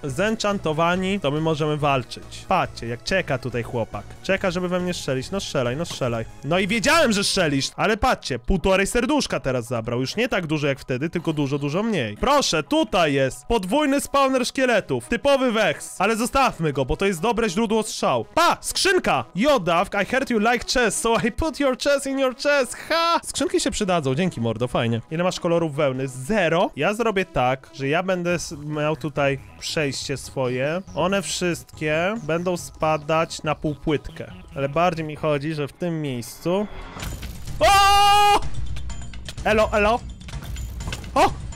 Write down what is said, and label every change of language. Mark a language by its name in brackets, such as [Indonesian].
[Polish] Zenchantowani, to my możemy walczyć. Patrzcie, jak czeka tutaj chłopak. Czeka, żeby we mnie strzelić, no strzelaj, no strzelaj. No i wiedziałem, że strzelisz. Ale patrzcie, półtorej serduszka teraz zabrał. Już nie tak dużo jak wtedy, tylko dużo mniej. Proszę, tutaj jest podwójny spawner szkieletów. Typowy Vex. Ale zostawmy go, bo to jest dobre źródło strzał. Pa! Skrzynka! [English] Yo, Dawk, I heard you like chess, so I put your chess in your chest. Ha! [Polish] Skrzynki się przydadzą. Dzięki, mordo, fajnie. Ile masz kolorów wełny? 0. Ja zrobię tak, że ja będę miał tutaj przejście swoje. One wszystkie będą spadać na półpłytkę. Ale bardziej mi chodzi, że w tym miejscu... O! Elo, elo. O!